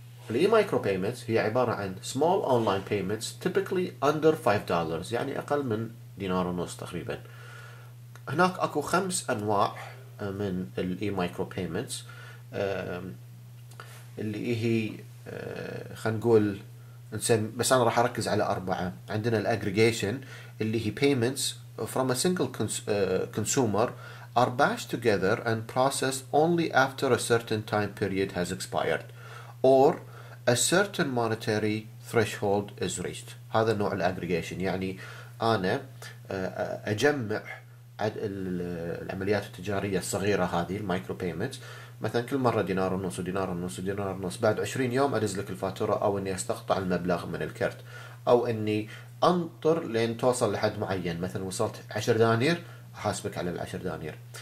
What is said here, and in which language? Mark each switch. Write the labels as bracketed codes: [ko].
[ar] الإي مايكرو بيمنتس هي عبارة عن small online payments typically under $5، يعني أقل من دينار ونص تقريبا. هناك أكو خمس أنواع من الاي مايكرو بايمنتس اللي هي خلينا نقول بس انا راح اركز على اربعه. [en] عندنا الاجريجيشن اللي هي payments from a single consumer are batched together and processed only after a certain time period has expired or a certain monetary threshold is reached. [ar] هذا نوع الاجريجيشن، يعني انا اجمع العمليات التجاريه الصغيره هذه المايكرو بايمنتس، مثلا كل مره دينار ونص ودينار ونص ودينار ونص، بعد 20 يوم ادز لك الفاتوره او اني استقطع المبلغ من الكرت او اني انطر لين توصل لحد معين، مثلا وصلت 10 دانير احاسبك على ال 10 دانير.